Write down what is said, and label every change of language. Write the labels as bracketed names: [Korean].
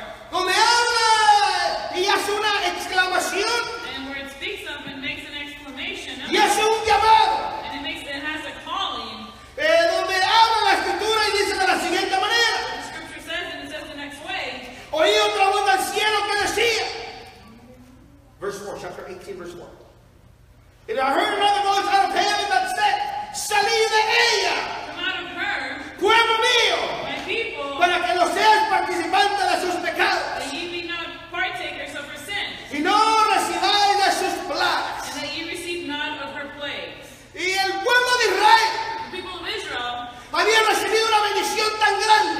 [Spanish] Donde habla y hace una exclamación. [English] And where it speaks of and makes an exclamation. [Spanish] Y hace un llamado. [English] And it has a calling. [Spanish] Donde habla la escritura y dice de la siguiente manera. [English] The scripture says and it says the next way. [Spanish] Oí otra voz del cielo que decía. [English] Verse 4, chapter 18, verse 1. And I heard another voice out of heaven that said, [Spanish] salí de ella. [English] Come out of her. [Spanish] Pueblo mío. [English] People, [Spanish] para que no seas participante de sus pecados [English] that ye be not partakers of her sins, [Spanish] y no recibáis de sus plagas [English] and that ye receive not of her plagues. [Spanish] Y el pueblo de Israel, [English] the people of Israel, [Spanish] había recibido una bendición tan grande,